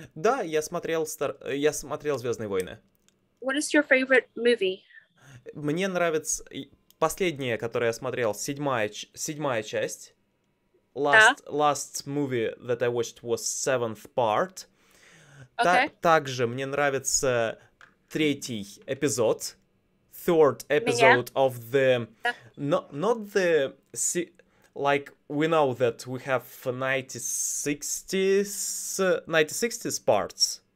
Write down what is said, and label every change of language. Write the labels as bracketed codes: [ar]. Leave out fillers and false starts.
[ru] Да, я смотрел Звездные войны. [en] What is your favorite movie? [ru] Мне нравится последняя, которую я смотрел, седьмая часть. [en] Last movie that I watched was seventh part. Okay. [ru] Также мне нравится третий эпизод. [en] Third episode of the... Yeah. Not the... Like, we know that we have 1960s parts.